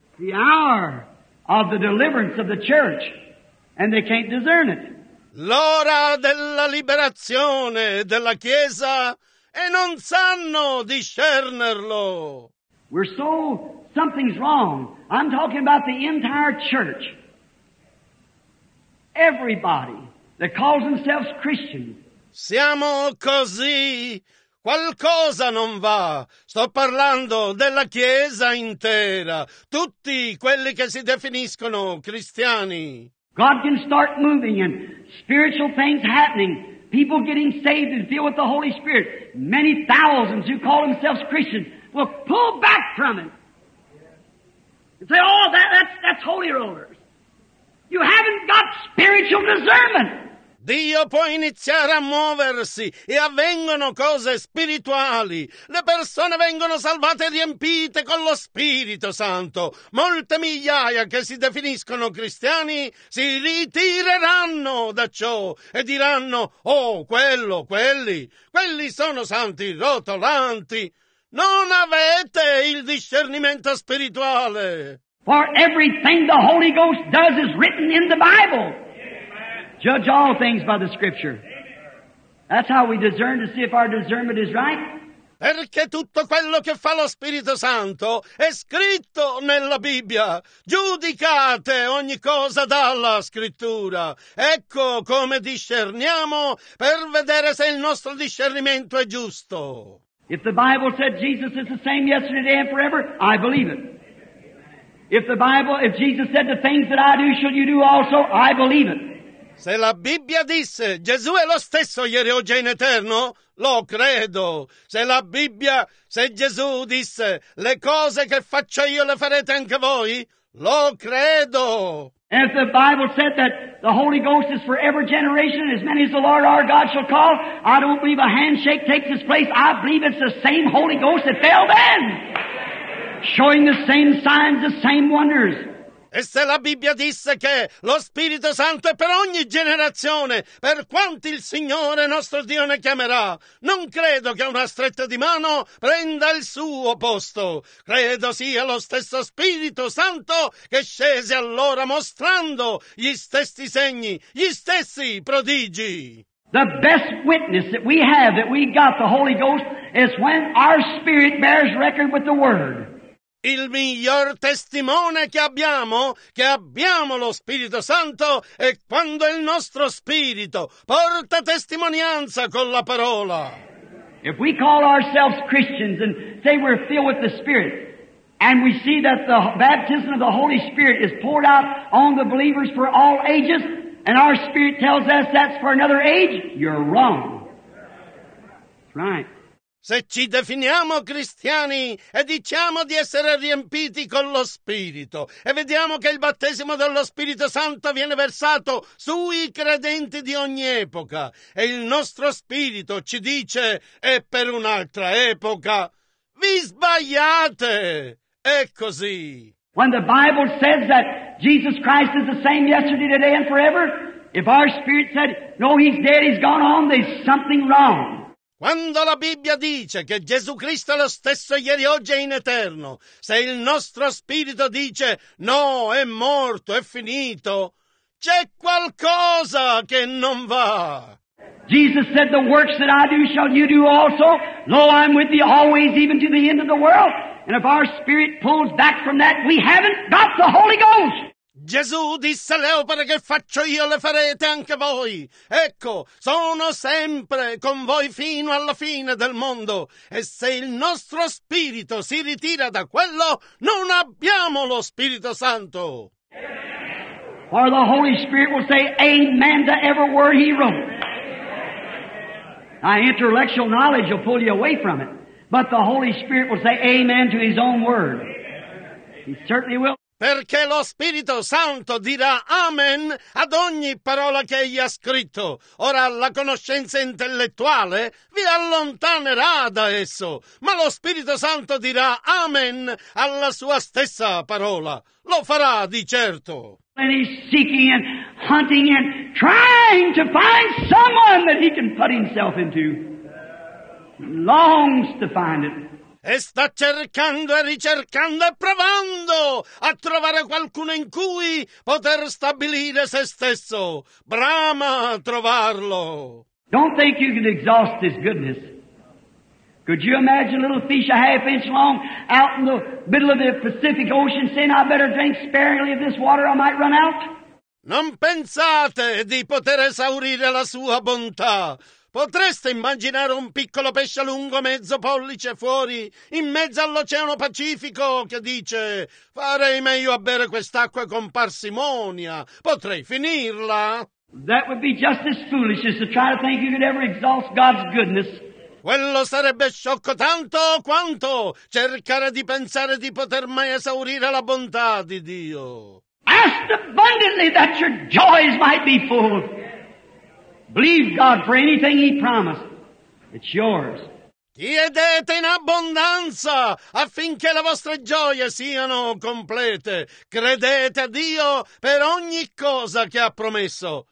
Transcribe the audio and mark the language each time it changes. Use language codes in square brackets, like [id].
[en] The hour of the deliverance of the church, and they can't discern it. [it] L'ora della liberazione della Chiesa, e non sanno discernerlo. [en] We're so, something's wrong. I'm talking about the entire church. Everybody that calls themselves Christian. [it] Siamo così. Qualcosa non va. Sto parlando della Chiesa intera. Tutti quelli che si definiscono cristiani. [en] God can start moving and spiritual things happening. People getting saved and filled with the Holy Spirit. Many thousands who call themselves Christians will pull back from it. And say, oh, that's holy rollers. You haven't got spiritual discernment. [it] Dio può iniziare a muoversi e avvengono cose spirituali. Le persone vengono salvate e riempite con lo Spirito Santo. Molte migliaia che si definiscono cristiani si ritireranno da ciò e diranno, oh, quelli sono santi rotolanti. Non avete il discernimento spirituale. [en] For everything the Holy Ghost does is written in the Bible. Judge all things by the Scripture. That's how we discern to see if our discernment is right. [it] Perché tutto quello che fa lo Spirito Santo è scritto nella Bibbia. Giudicate ogni cosa dalla Scrittura. Ecco come discerniamo per vedere se il nostro discernimento è giusto. [en] If the Bible said Jesus is the same yesterday, today, and forever, I believe it. If Jesus said the things that I do, shall you do also, I believe it. [it] Se la Bibbia disse Gesù è lo stesso ieri, oggi e in eterno, lo credo. Se Gesù disse le cose che faccio io le farete anche voi, lo credo. [en] And if the Bible said that the Holy Ghost is for every generation, as many as the Lord our God shall call, I don't believe a handshake takes its place. I believe it's the same Holy Ghost that fell then, showing the same signs, the same wonders. [it] E se la Bibbia disse che lo Spirito Santo è per ogni generazione, per quanti il Signore nostro Dio ne chiamerà, non credo che una stretta di mano prenda il suo posto. Credo sia lo stesso Spirito Santo che scese allora mostrando gli stessi segni, gli stessi prodigi. [en] The best witness that we have that we got the Holy Ghost is when our spirit bears record with the Word. [it] Il miglior testimone che abbiamo lo Spirito Santo, è quando il nostro spirito porta testimonianza con la parola. [en] If we call ourselves Christians and say we're filled with the Spirit, and we see that the baptism of the Holy Spirit is poured out on the believers for all ages, and our spirit tells us that's for another age, you're wrong. Right. [it] Se ci definiamo cristiani e diciamo di essere riempiti con lo Spirito e vediamo che il battesimo dello Spirito Santo viene versato sui credenti di ogni epoca e il nostro spirito ci dice è per un'altra epoca, vi sbagliate! È così! [en] When the Bible says that Jesus Christ is the same yesterday, today and forever, if our spirit said, no, he's dead, he's gone on, there's something wrong. [it] Quando la Bibbia dice che Gesù Cristo è lo stesso ieri, oggi e in eterno, se il nostro spirito dice no, è morto, è finito, c'è qualcosa che non va. [en] Jesus said, the works that I do shall you do also. Lo, I'm with thee always, even to the end of the world. And if our spirit pulls back from that, we haven't got the Holy Ghost. [it] Gesù disse, le opere che faccio io le farete anche voi. Ecco, sono sempre con voi fino alla fine del mondo. E se il nostro spirito si ritira da quello, non abbiamo lo Spirito Santo. [en] For the Holy Spirit will say amen to every word he wrote. Now intellectual knowledge will pull you away from it. But the Holy Spirit will say amen to his own word. He certainly will. [it] Perché lo Spirito Santo dirà amen ad ogni parola che egli ha scritto. Ora la conoscenza intellettuale vi allontanerà da esso, ma lo Spirito Santo dirà amen alla sua stessa parola. Lo farà di certo. [en] And he's seeking and hunting and trying to find someone that he can put himself into. Longs to find it. [it] E sta cercando e ricercando e provando a trovare qualcuno in cui poter stabilire se stesso. Brama trovarlo. [en] Don't think you can exhaust his goodness. Could you imagine a little fish a half inch long out in the middle of the Pacific Ocean saying, I better drink sparingly of this water, I might run out? [it] Non pensate di poter esaurire la sua bontà. Potreste immaginare un piccolo pesce lungo mezzo pollice fuori, in mezzo all'Oceano Pacifico, che dice: farei meglio a bere quest'acqua con parsimonia, potrei finirla. [en] That would be just as foolish as to try to think you could ever exhaust God's goodness. [it] Quello sarebbe sciocco tanto quanto cercare di pensare di poter mai esaurire la bontà di Dio. [en] Ask abundantly that your joys might be full. Believe God for anything He promised. It's yours. [it] Chiedete in abbondanza affinché le vostre gioie siano complete. Credete a Dio per ogni cosa che ha promesso.